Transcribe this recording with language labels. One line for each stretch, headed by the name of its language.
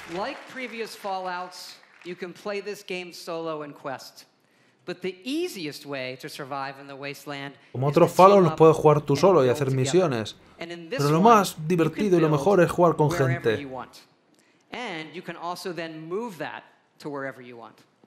English: Like previous Fallouts, you can play this game solo in quest. But the easiest way to survive in the wasteland.
Spanish: Como otros Fallouts, los puedes jugar tú solo y hacer misiones. Pero lo más divertido y lo mejor es jugar con gente.
English: And you can also then move that to wherever you want.